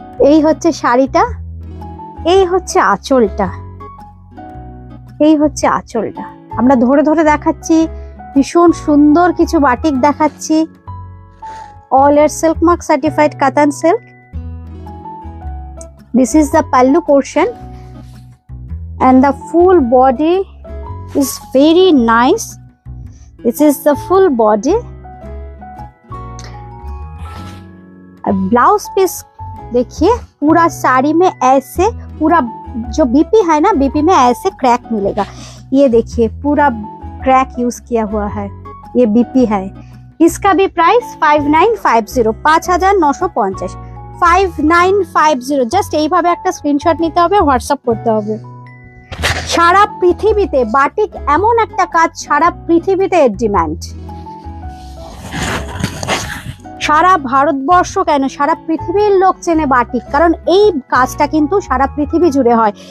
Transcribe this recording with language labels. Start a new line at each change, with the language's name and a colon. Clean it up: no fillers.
Bangla: এই হচ্ছে শাড়িটা, এই হচ্ছে আঁচলটা, এই হচ্ছে আঁচলটা, আমরা ধরে ধরে দেখাচ্ছি, ভীষণ সুন্দর কিছু বাটিক দেখাচ্ছি, অল এর সিল্ক মার্ক সার্টিফাইড কাতান silk,
English: this is the pallu portion and the full body
Bangla: is very nice, this is the full body,
Hindi: blouse piece देखिए पूरा साड़ी में ऐसे पूरा जो बीपी है ना बीपी में ऐसे क्रैक मिलेगा। ये देखिए पूरा क्रैक यूज किया हुआ है, ये बीपी है। इसका भी प्राइस 5950 5950 5950 जस्ट
Bangla: এইভাবে একটা স্ক্রিনশট নিতে হবে, WhatsApp করতে হবে। সারা পৃথিবীতে বাটিক এমন একটা কাজ, সারা পৃথিবীতে এর ডিমান্ড, সারা ভারতবর্ষ কেন সারা পৃথিবীর লোক চেনে বাটিক, কারণ এই কাজটা কিন্তু সারা পৃথিবী জুড়ে হয়।